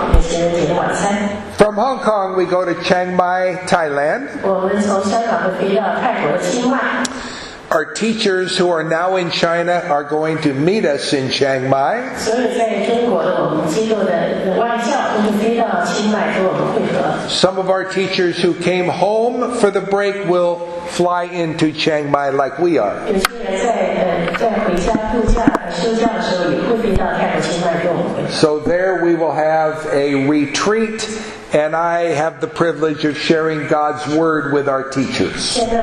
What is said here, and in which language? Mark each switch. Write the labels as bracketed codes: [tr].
[zh] 说实话是飞机是11点钟才起飞，所以我是会答应她给她一个很美好的一个情人节的晚餐。 [en] From Hong Kong, we go to Chiang Mai, Thailand. [zh] 我们从香港飞到泰国清迈。 [en] Our teachers who are now in China are going to meet us in Chiang Mai. [zh] 所有在中国的我们机构的外校都飞到清迈和我们会合。 [en] Some of our teachers who came home for the break will fly into Chiang Mai like we are. [zh] 有些人在回家度假休假的时候也会飞到泰国清迈跟我们会合。 [en] So there we will have a retreat. And I have the privilege of sharing God's word with our teachers.